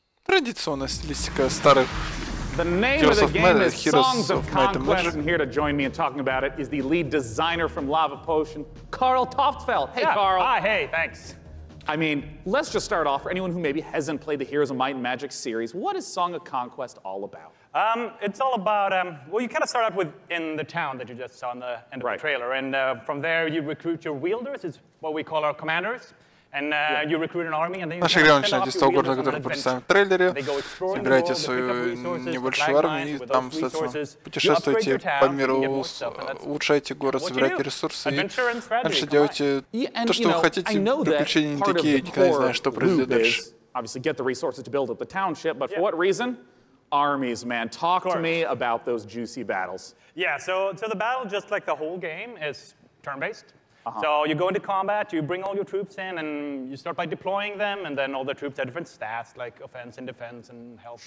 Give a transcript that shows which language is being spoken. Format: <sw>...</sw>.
<ru>традиционная стилистика старых.</ru> <en>The name Heroes of the game is Songs of Conquest, and here to join me in talking about it is the lead designer from Lava Potion, Carl Toftfeld. Hey, yeah. Carl. Hi, hey, thanks. I mean, let's just start off, for anyone who maybe hasn't played the Heroes of Might and Magic series, what is Song of Conquest all about? It's all about, well, you kind of start out with in the town that you just saw in the end of right. the trailer, and from there you recruit your wielders, it's what we call our commanders. And you recruit an army, and then</en> <ru>наша игра начинается с того города, который представлен в трейлере. Собираете свою небольшую армию, и там, соответственно, путешествуете по миру, улучшаете город, собираете ресурсы, и дальше делаете то, что вы хотите, приключения не такие, никогда не знаю, что произойдет дальше.</ru> <en>Obviously, get the resources to build up the township, but for what reason? Armies, man. Talk to me about those juicy battles. Yeah, so the battle, just like the whole game, is turn-based. Uh-huh. So you go into combat, you bring all your troops in, and you start by deploying them, and then all the troops have different stats, like offense and defense and health</en>